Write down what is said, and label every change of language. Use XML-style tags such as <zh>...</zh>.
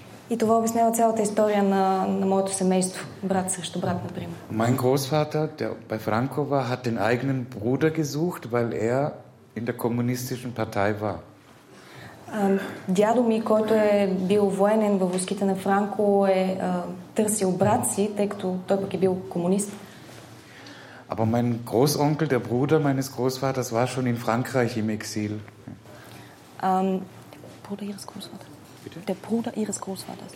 <bg>И това обяснява цялата история на моето семейство, брат срещу брат, например.</bg> <de>Mein Großvater, der bei Franco war, hat den eigenen Bruder gesucht, weil er in der kommunistischen Partei war.</de> <bg>Дядо ми, който е бил военен във войските на Франко, е търсил брат си, тъй като той пък е бил комунист.</bg> <de>Aber mein Großonkel, der Bruder meines Großvaters, war schon in Frankreich im Exil. Bruder ihres Großvaters. Bitte? Der Bruder ihres Großvaters.</de>